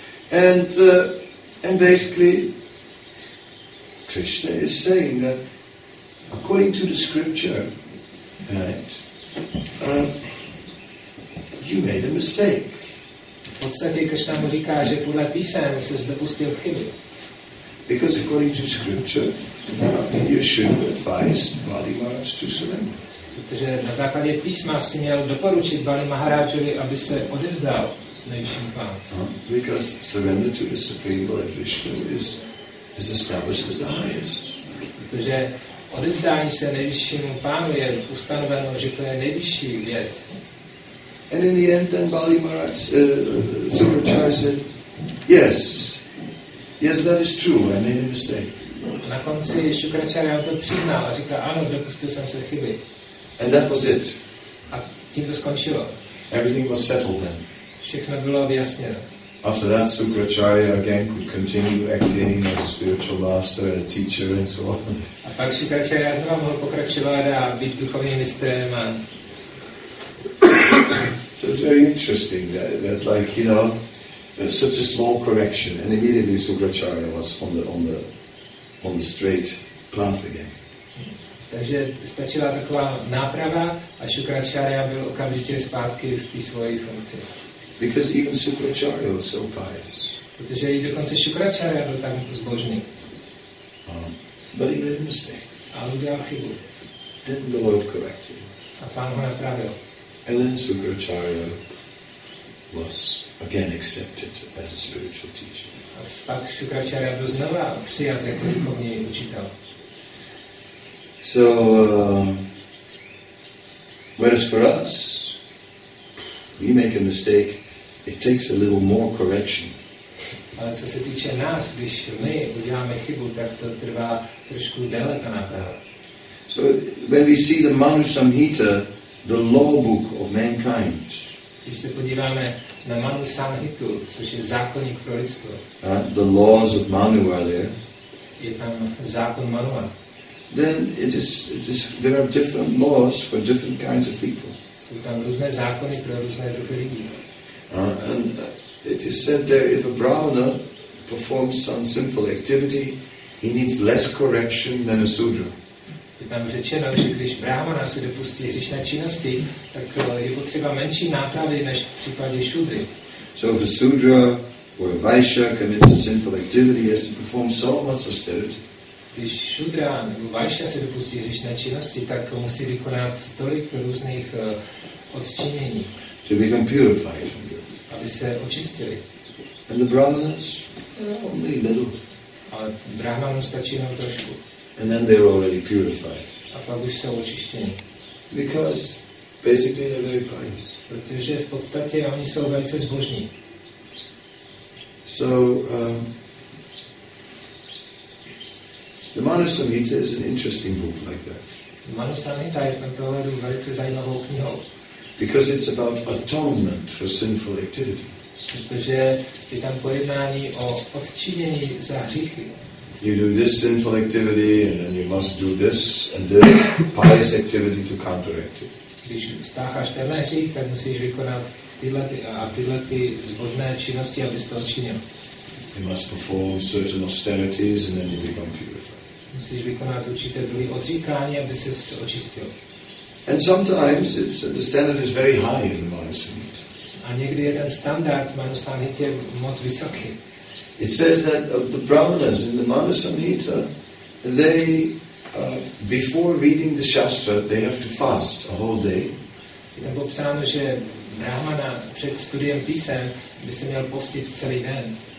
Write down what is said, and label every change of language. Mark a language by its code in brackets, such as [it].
[en] And basically Krishna is saying that according to the scripture, right, you made a mistake. [cs] V podstatě Krishna mu říká, že podle písem se dopustil chyby. [en] Because according to scripture, you should advise Bali Maharaj to surrender. [cs] Protože na základě písma si měl doporučit Bali Maharajovi, aby se odevzdal nejvyšším pánu. [en] Because surrender to the Supreme Lord Vishnu is established as the highest. [cs] Protože odevzdání se nejvyššímu pánu je ustanoveno, že to je nejvyšší věc. [en] And in the end, then Bali Maharaj, Sukracharya said, yes, that is true, I made a mistake. [cs] A na konci Sukracharya to přiznal a říká, ano, dopustil jsem se chyby. [en] And that was it. [cs] A tím to skončilo. [en] Everything was settled then. [cs] Všechno bylo vyjasněno. [en] After that, Sukracharya again could continue acting as a spiritual master and a teacher and so on. [cs] A pak Sukracharya znovu mohl pokračovat a být duchovním mistrem. [en] So it's very interesting that like, you know, such a small correction, and immediately Sukracharya was on the straight path again. [cs] Takže stačila taková náprava a Sukracharya byl okamžitě zpátky v té svojí funkci. [en] Because even Sukracharya was so pious. [cs] Protože i dokonce Sukracharya byl tak zbožný. [en] But he made a mistake. [cs] Ale udělal chybu. [en] Didn't the Lord correct him? [cs] A pán ho napravil. [en] And then Sukracharya was again accepted as a spiritual teacher. [cs] A pak Sukracharya byl znova přijat jako duchovní učitel. [en] So, whereas for us, we make a mistake, it takes a little more correction. [cs] Ale co se týče nás, když my uděláme chybu, tak to trvá trošku déle ta náprava. [en] So, when we see the Manu Samhita, the law book of mankind. [cs] Když se podíváme na Manu Samhitu, což je zákonník pro lidstvo. [en] The laws of Manu are there. [cs] Je tam zákon Manua. [en] Then it is there are different laws for different kinds of people. [cs] Jsou tam různé zákony pro různé druhy lidí. [en] And it is said there if a brahmana performs some sinful activity, he needs less correction than a sudra. [cs] Je tam řečeno, že když brahmana se dopustí hříšné činnosti, tak je potřeba menší nápravy než v případě šudry. [en] So if a sudra or a vaishya commits a sinful activity, he has to perform so much austerity. [cs] Když šudra nebo vajša se dopustí hříšné činnosti, tak musí vykonat tolik různých odčinění. [en] To become purified. [cs] Aby se očistili. [en] And the brahmanas? Only a little. [cs] Ale brahmanům stačí jenom trošku. [en] And then they're already purified. [cs] A pak už jsou očištěni. [en] Because basically they're very pious. [cs] Protože v podstatě oni jsou velice zbožní. [en] So, the Manu Samhita is an interesting book like that. [cs] Manu Samhita je v tomto ohledu velice zajímavou knihou. [en] Because it's about atonement for sinful activity. [cs] Protože je tam pojednání o odčinění za hříchy. [en] you do this sinful activity and then you must do this and this pious activity to counteract it. [cs] Když spácháš tenhle hřích, tak musíš vykonat tyhle zbožné činnosti, abys to učinil. [en] You must perform certain austerities and then you become purified. [cs] Musíš vykonat určité druhé odříkání, aby se očistil. [en] And sometimes it's the standard is very high in the Manusamhita. [cs] A někdy je ten standard Manusamhity je moc vysoký. [en] It says that the brahmanas in the Manusamhita, they before reading the shastra, they have to fast a whole day. [cs] Je popsáno, že brahmana před studiem písem by se měl postit celý den.